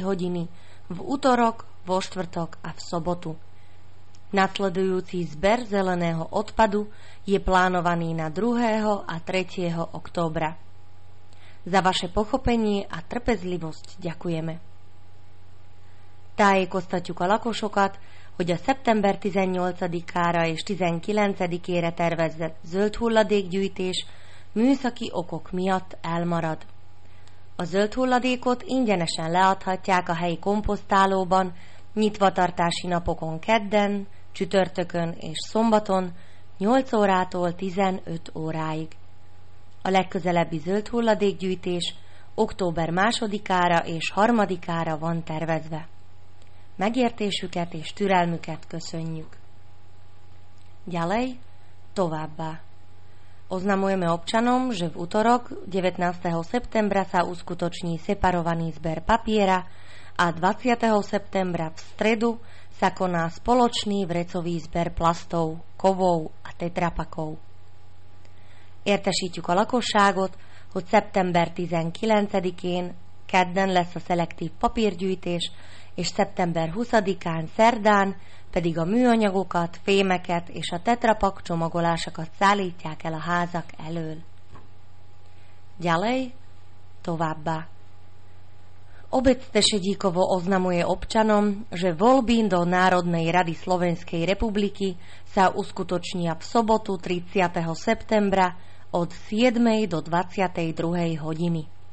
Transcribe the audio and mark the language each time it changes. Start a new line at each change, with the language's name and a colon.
Slovak: hodiny v utorok, vo štvrtok a v sobotu. Nasledujúci zber zeleného odpadu je plánovaný na 2. a 3. októbra. Za vaše pochopenie a trpezlivosť ďakujeme.
Hungarian: Tá je kostatiuka lakosokat, hogy a szeptember 18-ára és 19-ére tervezett zöld hulladékgyűjtés műszaki okok miatt elmarad. A zöld hulladékot ingyenesen leadhatják a helyi komposztálóban nyitvatartási napokon kedden, csütörtökön és szombaton 8 órától 15 óráig. A legközelebbi zöld hulladékgyűjtés október 2-ára és 3-ára van tervezve. Megértésüket és türelmüket köszönjük.
Slovak: Ďalej, továbbá. Oznamujeme občanom, že v utorok 19. septembra sa uskutoční separovaný zber papiera a 20. septembra v stredu sa koná spoločný vrecový zber plastov, kovov a tetrapakov.
Hungarian: Értesítjük a lakosságot, hogy szeptember 19-én kedden lesz a szelektív papírgyűjtés, és szeptember 20-án szerdán pedig a műanyagokat, fémeket és a tetrapak csomagolásokat szállítják el a házak elől.
Slovak: Ďalej, továbbá. Obec Tešedíkovo oznamuje občanom, že voľby do Národnej rady Slovenskej republiky sa uskutočnia v sobotu 30. septembra od 7. do 22. hodiny.